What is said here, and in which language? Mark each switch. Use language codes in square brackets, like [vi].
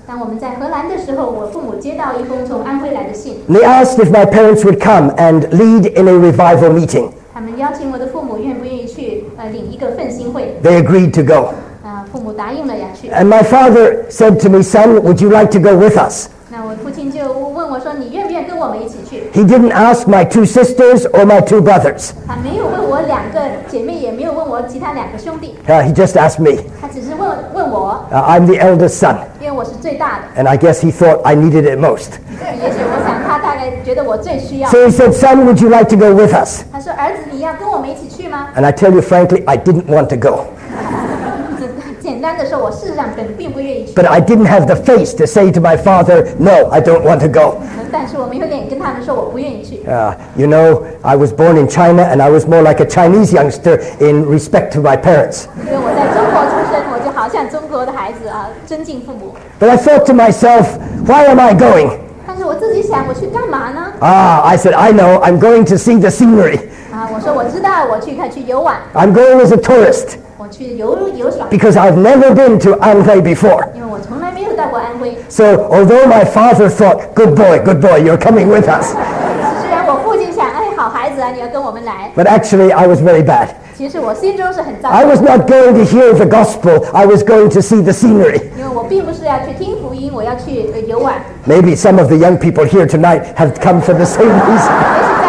[zh] 当我们在荷兰的时候，我父母接到一封从安徽来的信。 [en] They asked if my parents would come and lead in a revival meeting. [zh] 他们邀请我的父母愿不愿意去领一个奋兴会。 [en] They agreed to go. [zh] 父母答应了要去。 [en] And my father said to me, "Son, would you like to go with us?" [zh] 那我父亲就问我说，你愿不愿意跟我们一起去？ [en] He didn't ask my two sisters or my two brothers. [zh] 他没有问我两个。姐妹也没有问我其他两个兄弟。 [en] He just asked me. [zh] 他只是问我。 [en] I'm the eldest son. [zh] 因为我是最大的。 [en] And I guess he thought I needed it most. [zh] 也许我想他大概觉得我最需要。 [en] So he said, "Son, would you like to go with us?" [zh] 他说，儿子，你要跟我们一起去吗 [en] ？And I tell you frankly, I didn't want to go. [zh] 简单的说，我事实上并不愿意去。 [en] But I didn't have the face to say to my father, "No, I don't want to go." [zh] 但是我没有脸跟他们说我不愿意去。 [en] You know, I was born in China, and I was more like a Chinese youngster in respect to my parents. [zh] 因为我在中国出生，我就好像中国的孩子啊，尊敬父母。 [en] But I thought to myself, "Why am I going?" [zh] 但是我自己想，我去干嘛呢 [en] ？Ah, I said, "I know. I'm going to see the scenery." [zh] 我说我知道，我去看去游玩。 [en] I'm going as a tourist. Because I've never been to Anhui before. [zh] 因为我从来没有到过安徽。 [en] So although my father thought, good boy, you're coming with us. [zh] 虽然我父亲想，哎，好孩子啊，你要跟我们来。 [en] But actually, I was very bad. [zh] 其实我心中是很糟糕。 [en] I was not going to hear the gospel. I was going to see the scenery. [zh] 因为我并不是要去听福音，我要去游玩。 [en] Maybe some of the young people here tonight have come for the same reason.